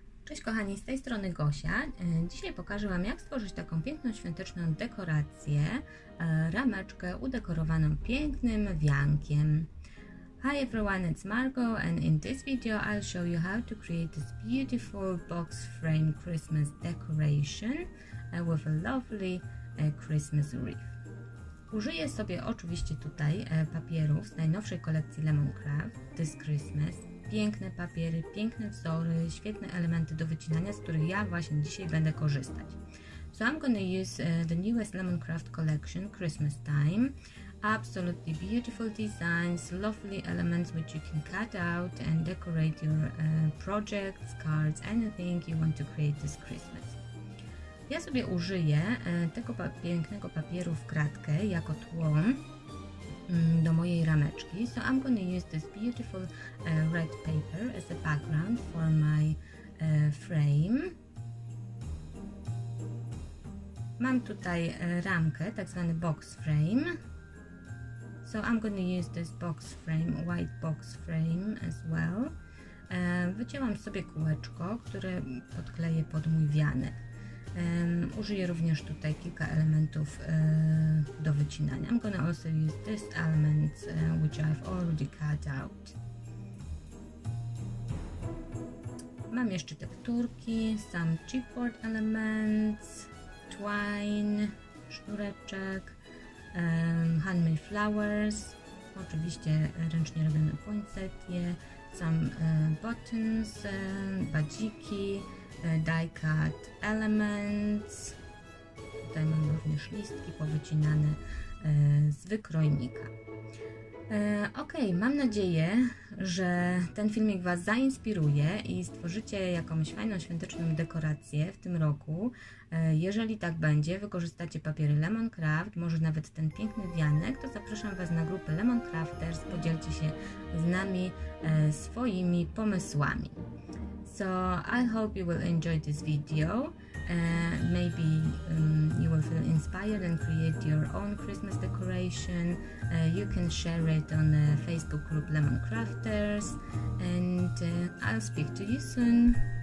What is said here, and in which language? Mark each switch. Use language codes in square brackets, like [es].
[pl] Cześć kochani, z tej strony Gosia. Dzisiaj pokażę Wam, jak stworzyć taką piękną świąteczną dekorację, rameczkę udekorowaną pięknym wiankiem. [en] Hi everyone, it's Margot and in this video I'll show you how to create this beautiful box frame Christmas decoration with a lovely Christmas wreath. [pl] Użyję sobie oczywiście tutaj papierów z najnowszej kolekcji Lemoncraft This Christmas. Piękne papiery, piękne wzory, świetne elementy do wycinania, z których ja właśnie dzisiaj będę korzystać. [en] So I'm gonna use the newest Lemoncraft collection, Christmas time. Absolutely beautiful designs, lovely elements which you can cut out and decorate your projects, cards, anything you want to create this Christmas. [pl] Ja sobie użyję tego pięknego papieru w kratkę jako tło do mojej rameczki. [en] So I'm gonna use this beautiful red paper as a background for my frame. [pl] Mam tutaj ramkę, tak zwany box frame. [en] So I'm gonna use this box frame, white box frame as well. [pl] Wycięłam sobie kółeczko, które podkleję pod mój wianek. Użyję również tutaj kilka elementów do wycinania. [en] I'm gonna also use this element, which I've already cut out. [pl] Mam jeszcze tekturki, [en] some chipboard elements, twine, [pl] sznureczek, [en] handmade flowers, [pl] oczywiście ręcznie robione poinsettie, [en] some buttons, [pl] badziki, [en] die cut elements. [pl] Tutaj mam również listki powycinane z wykrojnika. Okej, mam nadzieję, że ten filmik Was zainspiruje i stworzycie jakąś fajną świąteczną dekorację w tym roku. Jeżeli tak będzie, wykorzystacie papiery Lemoncraft, może nawet ten piękny wianek, to zapraszam Was na grupę Lemoncrafters, podzielcie się z nami swoimi pomysłami. [en] So I hope you will enjoy this video. Maybe you will feel inspired and create your own Christmas decoration. You can share it on the Facebook group Lemoncrafters, and I'll speak to you soon.